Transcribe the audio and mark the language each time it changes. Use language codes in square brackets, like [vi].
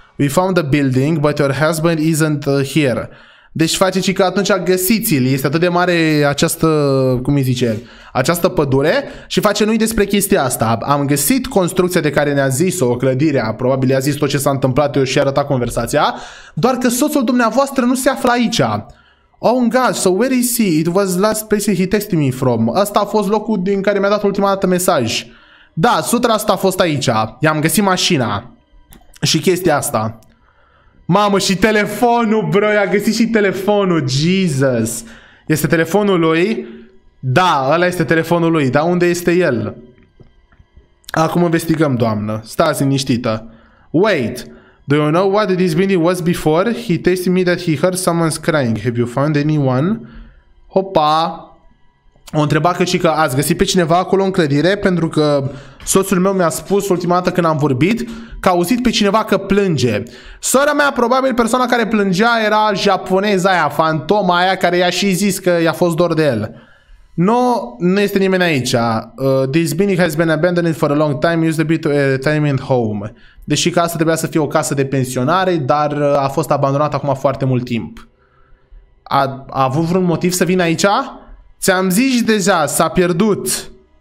[en] We found the building, but your husband isn't here. [ro] Deci face și că atunci găsiți-l. Este atât de mare această, cum îi zice, această pădure. Și face, nu-i despre chestia asta. Am găsit construcția de care ne-a zis-o, clădirea. Probabil i-a zis tot ce s-a întâmplat, eu și-a arătat conversația. Doar că soțul dumneavoastră nu se află aici. [en] Oh god, so where is he? It was last place he texted me from. [ro] Asta a fost locul din care mi-a dat ultima dată mesaj. Da, sutra asta a fost aici. I-am găsit mașina. Și chestia asta. Mamă, și telefonul, bro, i-a găsit și telefonul. Jesus. Este telefonul lui? Da, ăla este telefonul lui. Dar unde este el? Acum investigăm, doamnă. Stați liniștită. [en] Wait. Do you know what this building was before? He texted me that he heard someone's crying. Have you found anyone? Hopa! [ro] O întreba că și că ați găsit pe cineva acolo în clădire, pentru că soțul meu mi-a spus ultima dată când am vorbit că a auzit pe cineva că plânge. Sora mea, probabil persoana care plângea era japoneza aia, fantoma aia care i-a și zis că i-a fost dor de el. No, nu este nimeni aici. [en] This building has been abandoned for a long time. It used to be a retirement home. [ro] Deși că asta trebuia să fie o casă de pensionare, dar a fost abandonată acum foarte mult timp. A avut vreun motiv să vină aici? Ți-am zis deja, s-a pierdut.